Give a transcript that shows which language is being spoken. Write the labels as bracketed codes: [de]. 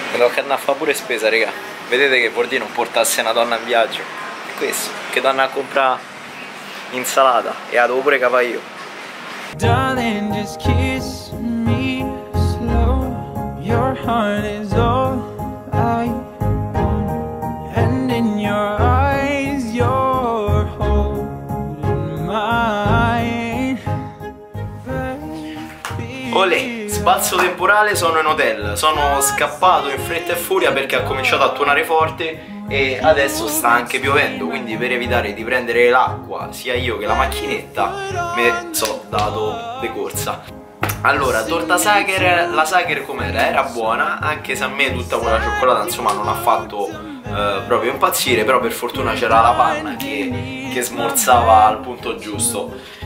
[it] Che andava a fare pure spesa, raga. Vedete che vuol dire non portasse una donna in viaggio? È questo, che donna a comprare insalata, e la devo pure capire io. [en] Darling, just kiss me slow, your heart is all I want, and in your eyes your hope in mine. [it] Olè. Sbalzo temporale, sono in hotel. Sono scappato in fretta e furia perché ha cominciato a tuonare forte e adesso sta anche piovendo, quindi per evitare di prendere l'acqua sia io che la macchinetta mi sono dato de corsa. Allora, torta Sacher, la Sacher com'era? Era buona, anche se a me tutta quella cioccolata insomma non ha fatto proprio impazzire, però per fortuna c'era la panna che smorzava al punto giusto.